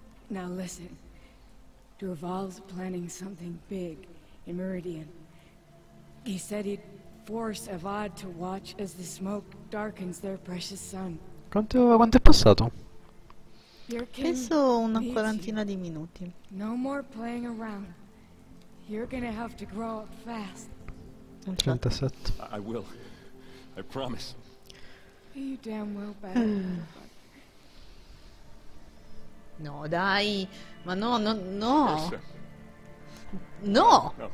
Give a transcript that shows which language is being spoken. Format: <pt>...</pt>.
<en>Now listen, Durval's planning something big in Meridian. He said he'd force Avad to watch as the smoke darkens their precious sun.</en> <it>Quanto è passato? Penso una quarantina di minuti.</it> <en>No more playing around. You're gonna have to grow up fast. 37. I will. I promise. You damn well better.</en> <it>No, dai! Ma no, no, no! No!</it>